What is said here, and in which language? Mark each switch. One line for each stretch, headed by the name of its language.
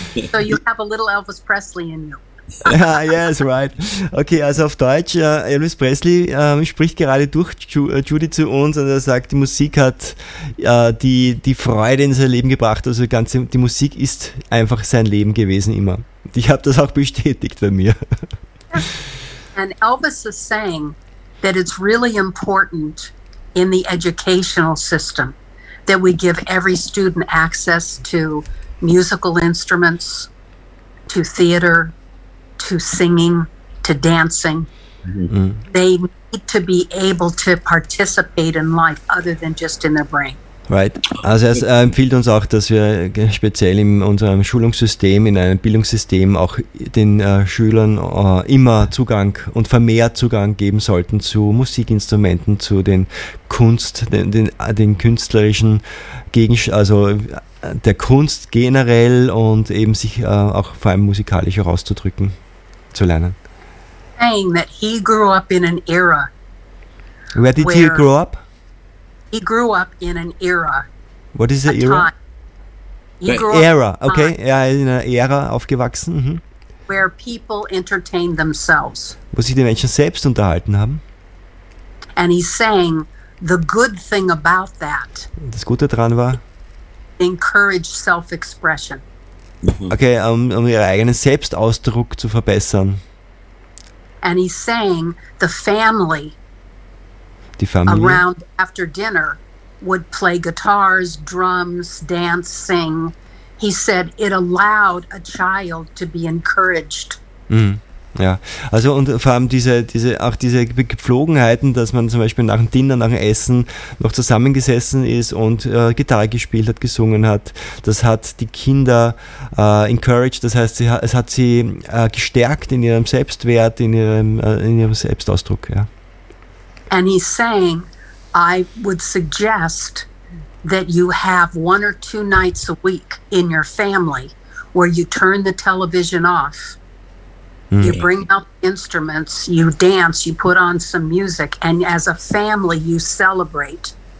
English: So you have a little Elvis Presley in you. Ja, yes, right.
German: Okay, also auf Deutsch, Elvis Presley spricht gerade durch Judy zu uns und er sagt, die Musik hat die Freude in sein Leben gebracht. Also die Musik ist einfach sein Leben gewesen immer. Ich habe das auch bestätigt bei mir.
English: And Elvis is saying that it's really important in the educational system that we give every student access to musical instruments, to theater, to singing, to dancing. Mm-hmm. They need to be able to participate in life other than just in their brain. Right.
German: Also er empfiehlt uns auch, dass wir speziell in unserem Schulungssystem, in einem Bildungssystem auch den Schülern immer Zugang und vermehrt Zugang geben sollten zu Musikinstrumenten, zu den Kunst, den künstlerischen Gegenständen, also der Kunst generell und eben sich auch vor allem musikalisch herauszudrücken. zu lernen.
English: Saying that he grew up in an era. Where did he grow up? He grew up in an era. What is the era? Era, okay.
German: Er ist in einer Ära aufgewachsen. Mhm.
English: Where people entertain themselves.
German: Wo sich die Menschen selbst unterhalten haben.
English: And he's saying the good thing about that.
German: Das Gute daran war.
English: Encourage self-expression.
German: Okay, um ihren eigenen Selbstausdruck zu verbessern.
English: And he's saying the family.
German: Die Familie.
English: Around after dinner. Would play guitars, drums, dance, sing. He said it allowed a child to be encouraged.
German: Mm, ja, also und vor allem diese auch diese Gepflogenheiten, dass man zum Beispiel nach dem Dinner, nach dem Essen noch zusammengesessen ist und Gitarre gespielt hat, gesungen hat, das hat die Kinder encouraged, das heißt, es hat sie gestärkt in ihrem Selbstwert, in ihrem Selbstausdruck. Ja.
English: And he's saying, I would suggest that you have one or two nights a week in your family where you turn the television off, you bring out instruments, you dance, you put on some music, and as a family you celebrate.